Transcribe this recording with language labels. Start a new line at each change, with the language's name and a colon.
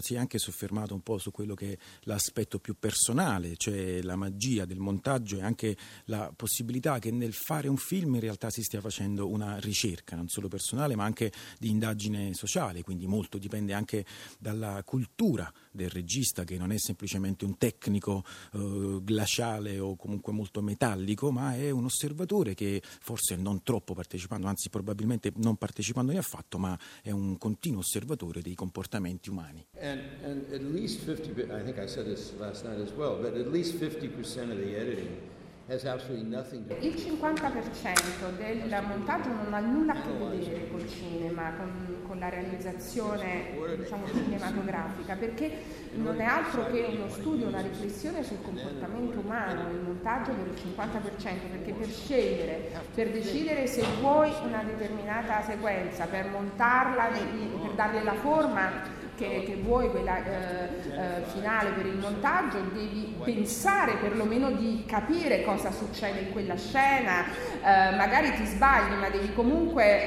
Italian: Si è anche soffermato un po' su quello che è l'aspetto più personale, cioè la magia del montaggio e anche la possibilità che nel fare un film in realtà si stia facendo una ricerca, non solo personale ma anche di indagine sociale, quindi molto dipende anche dalla cultura del regista, che non è semplicemente un tecnico glaciale o comunque molto metallico, ma è un osservatore che forse non troppo partecipando, anzi probabilmente non partecipando ne affatto, ma è un continuo osservatore dei comportamenti umani.
English: And at least 50, I think I said this last night as well, but at least 50% of the editing.
Italian: Il 50% del montaggio non ha nulla a che vedere col cinema, con la realizzazione, diciamo, cinematografica, perché non è altro che uno studio, una riflessione sul comportamento umano, il montaggio del 50%, perché per scegliere, per decidere se vuoi una determinata sequenza, per montarla, per darle la forma che vuoi, quella finale per il montaggio, devi pensare perlomeno di capire cosa succede in quella scena, magari ti sbagli, ma devi comunque